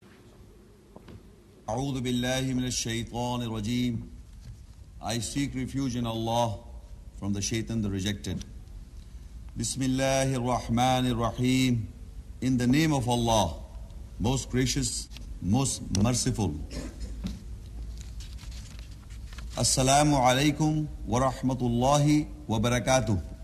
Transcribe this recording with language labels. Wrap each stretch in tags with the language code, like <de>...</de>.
<ar>أعوذ بالله من الشيطان الرجيم.</ar> <en>I seek refuge in Allah from the shaitan, the rejected.</en> <ar>بسم الله الرحمن الرحيم.</ar> <en>In the name of Allah, most gracious, most merciful.</en> <ar>السلام عليكم ورحمة الله وبركاته.</ar>